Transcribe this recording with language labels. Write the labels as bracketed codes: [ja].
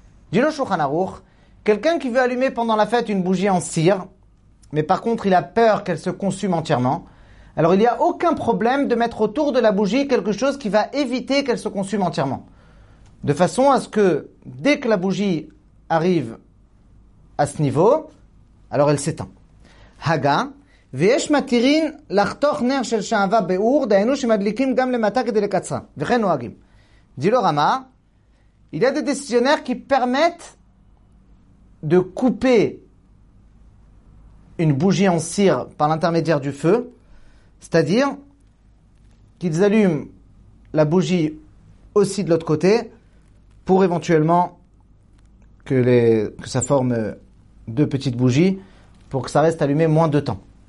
[fr] Dit le Shulchan Aruch, quelqu'un qui veut allumer pendant la fête une bougie en cire, mais par contre il a peur qu'elle se consume entièrement, alors il n'y a aucun problème de mettre autour de la bougie quelque chose qui va éviter qu'elle se consume entièrement. De façon à ce que dès que la bougie arrive à ce niveau, alors elle s'éteint. [he] Haga, ויש מתירין לחתוך נר של שעבה באור, דהיינו שמדליקים גם למטה כדי לקצרה. וכן נוהגים. [fr] דיל הרמה, il y a des décisionnaires qui permettent de couper une bougie en cire par l'intermédiaire du feu, c'est-à-dire qu'ils allument la bougie aussi de l'autre côté pour éventuellement que ça forme deux petites bougies pour que ça reste allumé moins de temps.